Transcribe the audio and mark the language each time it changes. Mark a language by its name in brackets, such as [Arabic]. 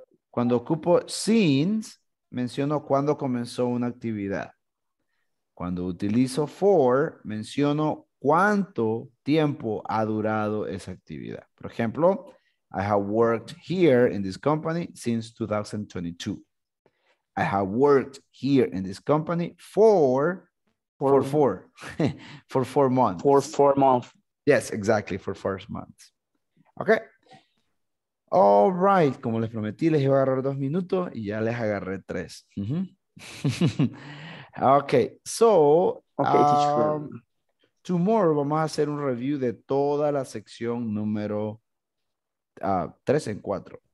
[Spanish] Cuando ocupo since, menciono cuando comenzó una actividad. Cuando utilizo for, menciono cuánto tiempo ha durado esa actividad. Por ejemplo, [English] I have worked here in this company since 2022. I have worked here in this company for four months. Yes, exactly, for 4 months. Okay. [Spanish] All right, como les prometí, les iba a agarrar 2 minutos y ya les agarré 3. Mm-hmm. [English] Okay, so, tomorrow [Spanish] vamos a hacer un review de toda la sección número 3 en 4.